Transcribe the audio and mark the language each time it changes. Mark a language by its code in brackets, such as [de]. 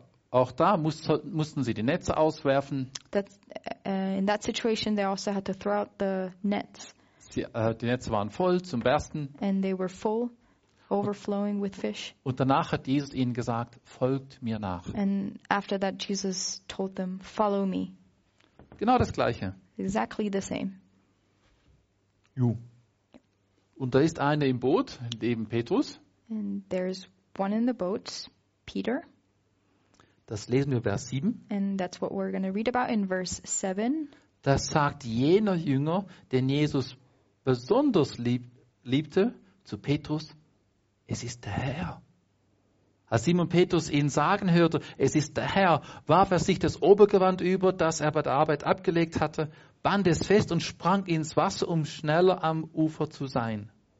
[de] Auch da mussten sie die Netze auswerfen. [en] In that situation, they also had to throw out the nets. [de] Die Netze waren voll zum Bersten. [en] And they were full, overflowing with fish. [de] Und danach hat Jesus ihnen gesagt, folgt mir nach. [en] And after that, Jesus told them, follow me. [de] Genau das Gleiche. [en] Exactly the same. Jo. [de] Und da ist einer im Boot, neben Petrus. [en] And there's one in the boat, Peter. [de] Das lesen wir Vers 7. [en] And that's what we're going to read about in verse 7. [de] Das sagt jener Jünger, den Jesus besonders liebte, zu Petrus, es ist der Herr. Als Simon Petrus ihn sagen hörte, es ist der Herr, warf er sich das Obergewand über, das er bei der Arbeit abgelegt hatte, band es fest und sprang ins Wasser, um schneller am Ufer zu sein.